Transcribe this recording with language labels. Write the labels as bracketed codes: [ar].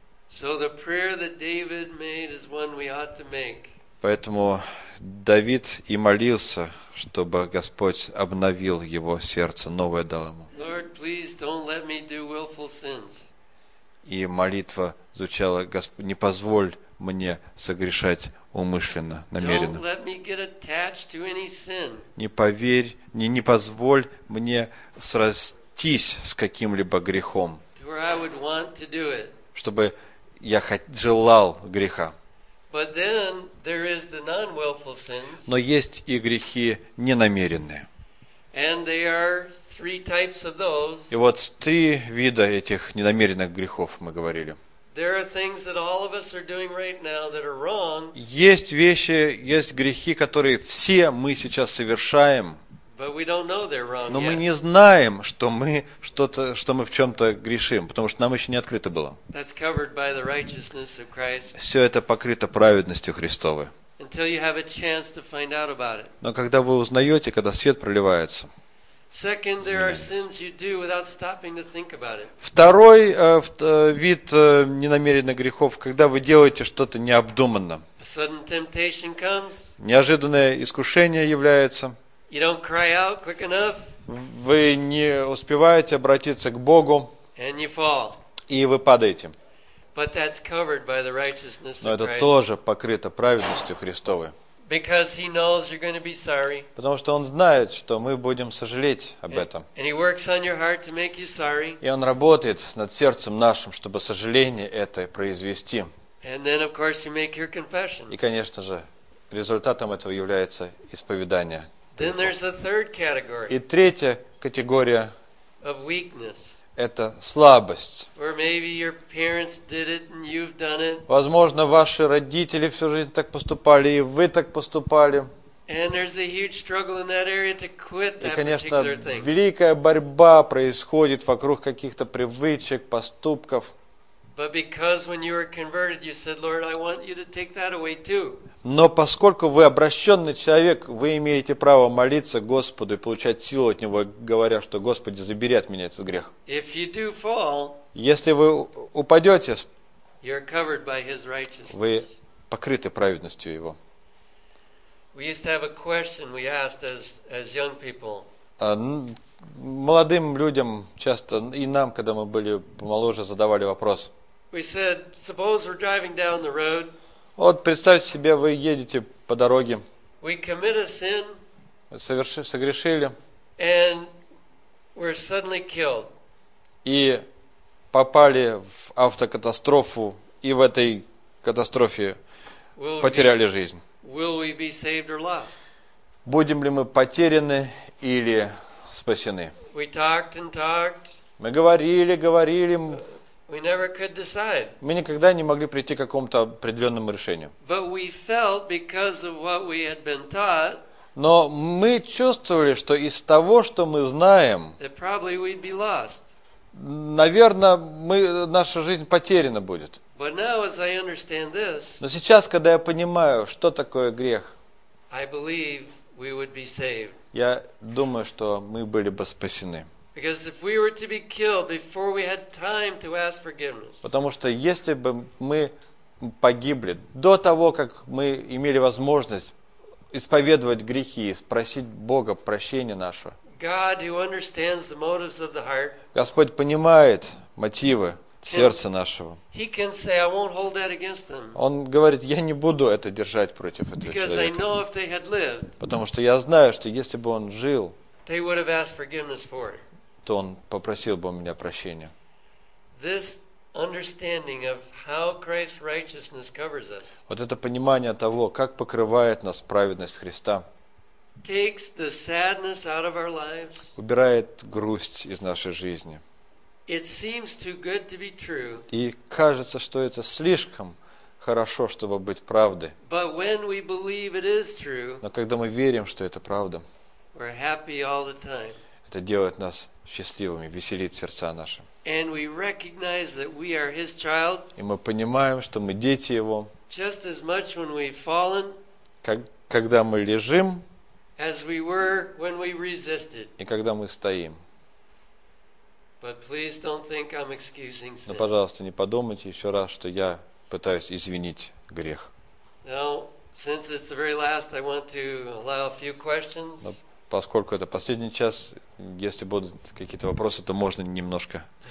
[en] So the prayer that David made is one we ought to make. [ru] Поэтому Давид и молился, чтобы Господь обновил его сердце, новое дал ему. [en] Lord, please don't let me do willful sins. [ru] И молитва звучала: Господь, не позволь мне согрешать умышленно, намеренно. [en] Don't let me get attached to any sin. [ru] Не позволь мне срастись с каким-либо грехом. [en] Where I would want to do it. [ru] Чтобы я желал греха. [en] But then there is the non-willful sins. [ru] Но есть и грехи ненамеренные. [en] And there are three types of those. [ru] И вот три вида этих ненамеренных грехов мы говорили. [en] There are things that all of us are doing right now that are wrong. [ru] Есть вещи, есть грехи, которые все мы сейчас совершаем. [en] But we don't know they're wrong. [ru] Но мы не знаем, что мы что-то, что мы в чем-то грешим, потому что нам еще не открыто было. [en] That's covered by the righteousness of Christ. [ru] Все это покрыто праведностью Христовой. [en] Until you have a chance to find out about it. [ru] Но когда вы узнаете, когда свет проливается. [en] Second, there are sins you do without stopping to think about it. [ru] Второй вид ненамеренных грехов, когда вы делаете что-то необдуманно. [en] A sudden temptation comes. [ru] Неожиданное искушение является. [en] You don't cry out quick enough. [ru] Вы не успеваете обратиться к Богу. [en] And you fall. [ru] И вы падаете. [en] But that's covered by the righteousness of [ru] Christ. Но это тоже покрыто праведностью Христовой. [en] Because he knows you're going to be sorry. [ru] Потому что он знает, что мы будем сожалеть об этом. [en] And he works on your heart to make you sorry. [ru] И он работает над сердцем нашим, чтобы сожаление это произвести. [en] And then, of course, you make your confession. [ru] И, конечно же, результатом этого является исповедание. [en] Then there's a third category. [ru] И третья категория [en] of weakness. [ru] Это слабость. [en] Or maybe your parents did it and you've done it. [ru] Возможно, ваши родители всю жизнь так поступали, и вы так поступали. [en] And there's a huge struggle in that area to quit that particular thing. [ru] И, конечно, великая борьба происходит вокруг каких-то привычек, поступков. [en] But because when you were converted, you said, "Lord, I want you to take that away too." [ru] Но поскольку вы обращенный человек, вы имеете право молиться Господу и получать силу от Него, говоря, что Господи, забери от меня этот грех. [en] If you do fall, [ru] если вы упадете, [en] you're covered by his righteousness. [ru] Вы покрыты праведностью Его. [en] We used to have a question we asked as young people. [ru] Молодым людям часто, и нам, когда мы были помоложе, задавали вопрос. [en] We said, suppose we're driving down the road. [ru] Вот представьте себе, вы едете по дороге. [en] We commit a sin. [ru] Согрешили. [en] And we're suddenly killed. [ru] И попали в автокатастрофу, и в этой катастрофе потеряли жизнь. [en] Will we be saved or lost? [ru] Будем ли мы потеряны или спасены? [en] We talked and talked. [ru] Мы говорили. [en] We never could decide. [ru] Мы никогда не могли прийти к какому-то определенному решению. [en] But we felt because of what we had been taught. [ru] Но мы чувствовали, что из того, что мы знаем, [en] that probably we'd be lost. [ru] Наверное, наша жизнь потеряна будет. [en] But now, as I understand this, [ru] но сейчас, когда я понимаю, что такое грех, [en] I believe we would be saved. [ru] Я думаю, что мы были бы спасены. [en] Because if we were to be killed before we had time to ask forgiveness. [ru] Потому что если бы мы погибли до того, как мы имели возможность исповедовать грехи и спросить Бога прощения нашего. [en] God, who understands the motives of the heart. [ru] Господь понимает мотивы сердца нашего. [en] He can say, I won't hold that against them. [ru] Он говорит, я не буду это держать против этого человека. [en] Because I know if they had lived. [ru] Потому что я знаю, что если бы он жил, [en] they would have asked forgiveness for it. [ru] То он попросил бы у меня прощения. [en] This understanding of how Christ's righteousness covers us. [ru] Вот это понимание того, как покрывает нас праведность Христа. [en] Takes the sadness out of our lives. [ru] Убирает грусть из нашей жизни. [en] It seems too good to be true. [ru] И кажется, что это слишком хорошо, чтобы быть правдой. [en] But when we believe it is true. [ru] Но когда мы верим, что это правда. [en] We're happy all the time. [ru] Это делает нас счастливыми, веселит сердца наши. [en] And we recognize that we are his child. [ru] И мы понимаем, что мы дети его. [en] Just as much when we've fallen. [ru] Когда мы лежим. [en] As we were when we resisted. [ru] И когда мы стоим. [en] But please don't think I'm excusing sin. [ru] Но, пожалуйста, не подумайте еще раз, что я пытаюсь извинить грех. [en] Now, since it's the very last, I want to allow a few questions. [ru] Поскольку это последний час, если будут какие-то вопросы, то можно немножко.